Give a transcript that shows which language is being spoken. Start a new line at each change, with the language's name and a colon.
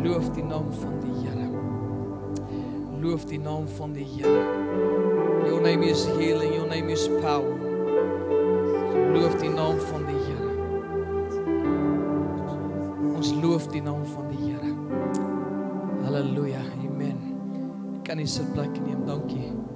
Afrikaans: Loof die naam van die Here. Loof die naam van die Here.
English: Your name is healing, your name is power.
Afrikaans: Loof die naam van die Here. Ons loof die naam van die Here. Halleluja, amen. Ek kan nie sit plek neem, dankie.